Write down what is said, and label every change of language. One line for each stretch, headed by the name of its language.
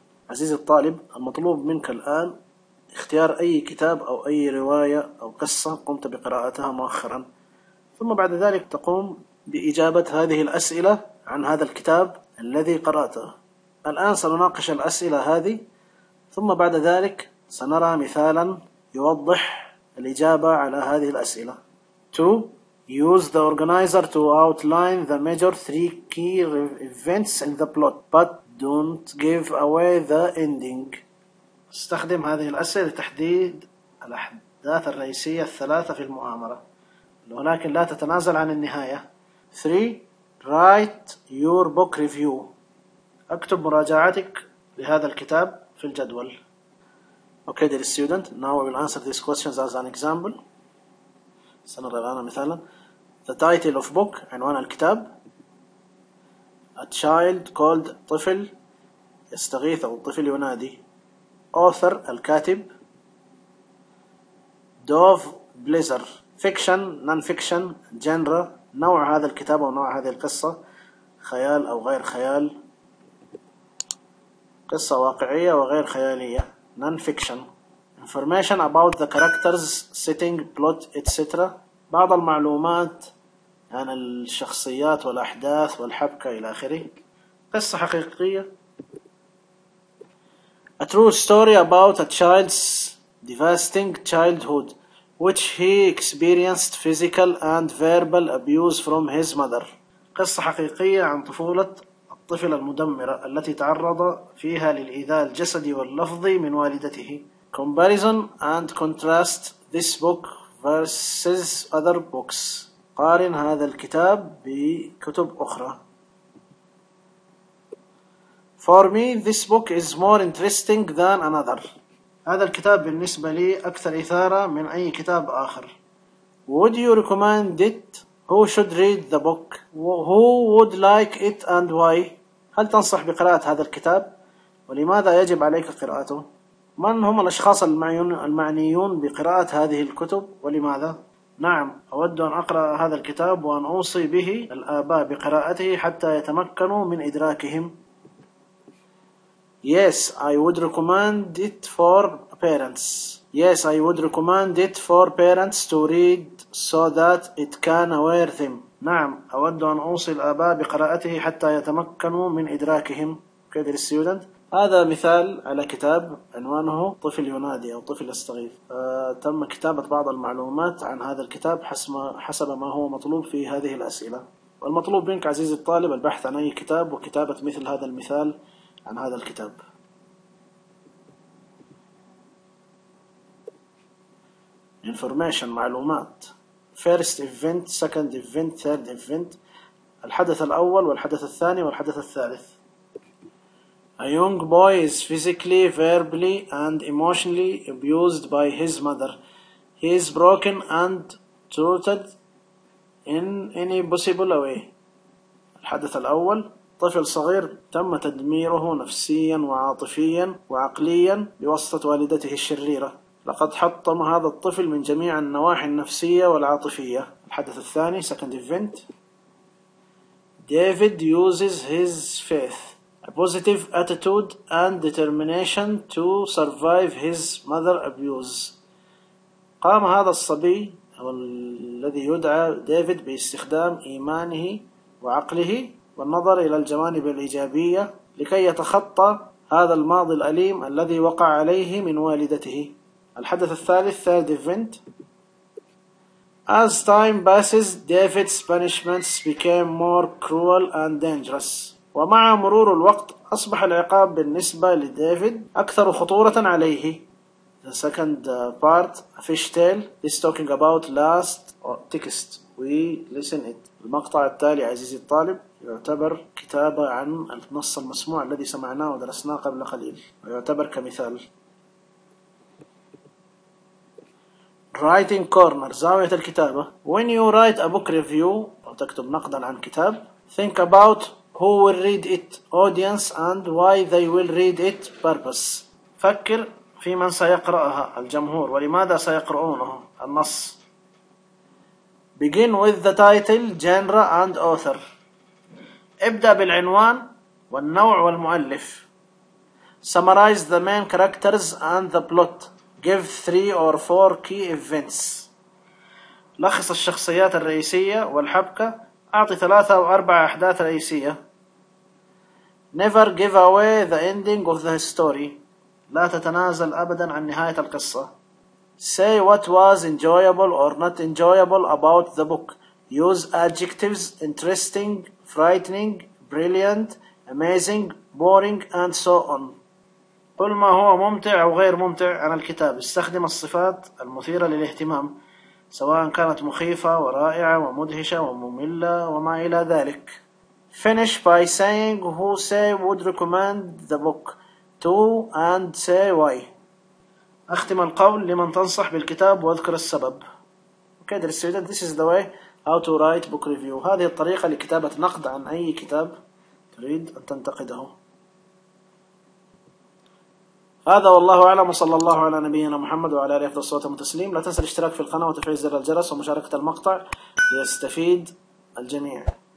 Arabic: عزيزي الطالب، المطلوب منك الآن اختيار أي كتاب أو أي رواية أو قصة قمت بقراءتها مؤخرا، ثم بعد ذلك تقوم بإجابة هذه الأسئلة عن هذا الكتاب الذي قرأته. الآن سنناقش الأسئلة هذه، ثم بعد ذلك سنرى مثالا يوضح الإجابة على هذه الأسئلة.
English: 2. Use the organizer to outline the major three key events in the plot, but don't give away the ending.
Arabic: استخدم هذه الأسئلة لتحديد الأحداث الرئيسية الثلاثة في المؤامرة، ولكن لا تتنازل عن النهاية.
English: 3. Write your book review.
Arabic: اكتب مراجعتك لهذا الكتاب في الجدول.
English: Okay, dear student, now I will answer these questions as an example.
Arabic: سنرى الآن مثالا.
English: The title of book,
Arabic: عنوان الكتاب.
English: A child called
Arabic: طفل يستغيث أو الطفل ينادي.
English: Author,
Arabic: الكاتب.
English: Dove Blizzard. Fiction, non-fiction, genre.
Arabic: نوع هذا الكتاب أو نوع هذه القصة. خيال أو غير خيال. قصة واقعية وغير خيالية.
English: Non-fiction. Information about the characters, setting, plot, etc.
Arabic: بعض المعلومات عن الشخصيات والأحداث والحبكة إلى آخره. قصة حقيقية.
English: A true story about a child's devastating childhood, which he experienced physical and verbal abuse from his mother.
Arabic: قصة حقيقية عن طفولة الطفل المدمرة التي تعرض فيها للإيذاء الجسدي واللفظي من والدته.
English: Comparison and contrast this book versus other books.
Arabic: قارن هذا الكتاب بكتب أخرى.
English: For me, this book is more interesting than another.
Arabic: هذا الكتاب بالنسبة لي أكثر إثارة من أي كتاب آخر.
English: Would you recommend it? Who should read the book? Who would like it and why?
Arabic: هل تنصح بقراءة هذا الكتاب؟ ولماذا يجب عليك قراءته؟ من هم الأشخاص المعنيون بقراءة هذه الكتب ولماذا؟ نعم، أود أن أقرأ هذا الكتاب وأن أوصي به الآباء بقراءته حتى يتمكنوا من إدراكهم.
English: Yes, I would recommend it for parents. Yes, I would recommend it for parents to read so that it can aware them.
Arabic: نعم، أود أن أوصي الآباء بقراءته حتى يتمكنوا من إدراكهم. كده للستودنت. هذا مثال على كتاب عنوانه طفل ينادي أو طفل يستغيث. تم كتابة بعض المعلومات عن هذا الكتاب حسب ما هو مطلوب في هذه الأسئلة. والمطلوب منك عزيزي الطالب البحث عن أي كتاب وكتابة مثل هذا المثال عن هذا الكتاب.
English: Information
Arabic: معلومات.
English: First event, second event, third event.
Arabic: الحدث الأول والحدث الثاني والحدث الثالث.
English: A young boy is physically, verbally, and emotionally abused by his mother. He is broken and tortured in any possible way.
Arabic: الحدث الأول، طفل صغير تم تدميره نفسيا وعاطفيا وعقليا بواسطة والدته الشريرة. لقد حطم هذا الطفل من جميع النواحي النفسية والعاطفية. الحدث الثاني،
English: second event. David uses his faith. A positive attitude and determination to survive his mother abuse.
Arabic: قام هذا الصبي هو الذي يدعى ديفيد باستخدام إيمانه وعقله والنظر إلى الجوانب الإيجابية لكي يتخطى هذا الماضي الأليم الذي وقع عليه من والدته. الحدث الثالث,
English: third event. As time passes, David's punishments became more cruel and dangerous.
Arabic: ومع مرور الوقت أصبح العقاب بالنسبة لديفيد أكثر خطورة عليه.
English: The second part, a fish tale, is talking about last text. We listen it.
Arabic: المقطع التالي عزيزي الطالب يعتبر كتابة عن النص المسموع الذي سمعناه ودرسناه قبل قليل ويعتبر كمثال.
English: Writing corner,
Arabic: زاوية الكتابة.
English: When you write a book review
Arabic: أو تكتب نقدا عن كتاب,
English: think about who will read it, audience and why they will read it, purpose.
Arabic: فكر في من سيقرأها, الجمهور, ولماذا سيقرؤونه النص.
English: Begin with the title, genre and author.
Arabic: ابدأ بالعنوان والنوع والمؤلف.
English: Summarize the main characters and the plot. Give three or four key events.
Arabic: لخص الشخصيات الرئيسية والحبكة. أعطي 3 أو 4 أحداث رئيسية.
English: Never give away the ending of the story.
Arabic: لا تتنازل أبدا عن نهاية القصة.
English: Say what was enjoyable or not enjoyable about the book. Use adjectives interesting, frightening, brilliant, amazing, boring, and so on.
Arabic: قل ما هو ممتع أو غير ممتع عن الكتاب. استخدم الصفات المثيرة للاهتمام سواء كانت مخيفة ورائعة ومدهشة ومملة وما إلى ذلك.
English: Finish by saying who say would recommend the book to and say why.
Arabic: أختم القول لمن تنصح بالكتاب واذكر السبب.
English: Okay, dear student, this is the way how to write book review.
Arabic: هذه الطريقة لكتابة نقد عن أي كتاب تريد أن تنتقده. هذا والله أعلم, وصلى الله على نبينا محمد وعلى آله وصحبه وسلم تسليم. لا تنسى الاشتراك في القناة وتفعيل زر الجرس ومشاركة المقطع ليستفيد الجميع.